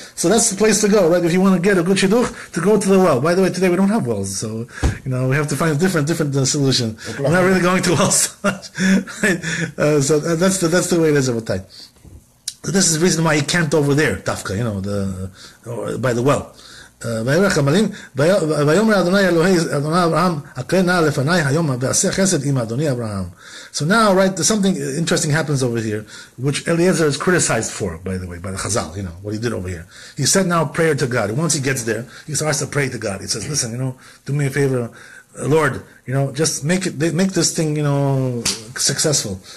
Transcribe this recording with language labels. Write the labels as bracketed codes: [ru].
[en] So that's the place to go, right? If you want to get a good shidduch, to go to the well. By the way, today we don't have wells, so you know we have to find a different solution. Okay. We're not really going to wells. Right? So that's the way it is over time. So this is the reason why he camped over there, Tafka, you know, by the well. [he] ויברך המלים, ויאמר אדוני אלוהי אדוני אברהם, הקרא נא לפני היום ועשה חסד עם אדוני אברהם. [en] So now, right, something interesting happens over here, which Eliezer is criticized for, by the way, by the Chazal, you know, what he did over here. He said now prayer to God. Once he gets there, he starts to pray to God. He says, listen, you know, do me a favor, Lord, you know, just make this thing, you know, successful.